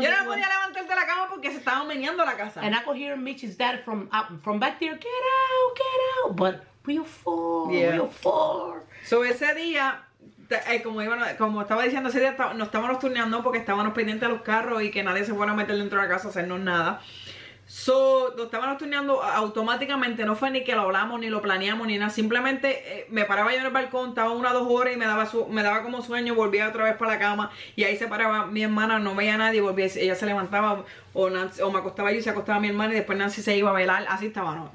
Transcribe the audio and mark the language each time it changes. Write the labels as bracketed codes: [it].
[es] Yo no podía levantar de la cama porque se estaba meneando la casa. [en] And I could hear Michi's dad from back there, get out, get out. But we're four. [es] So ese día. Como estaba diciendo, ese día nos estábamos turneando porque estábamos pendientes a los carros y que nadie se fuera a meter dentro de la casa a hacernos nada. So, nos estábamos turneando automáticamente, no fue ni que lo hablamos, ni lo planeamos, ni nada. Simplemente me paraba yo en el balcón, estaba 1 o 2 horas y me daba como sueño, volvía otra vez para la cama y ahí se paraba mi hermana, no veía a nadie, volvía, ella se levantaba o me acostaba yo y se acostaba a mi hermana y después Nancy se iba a velar, así estábamos.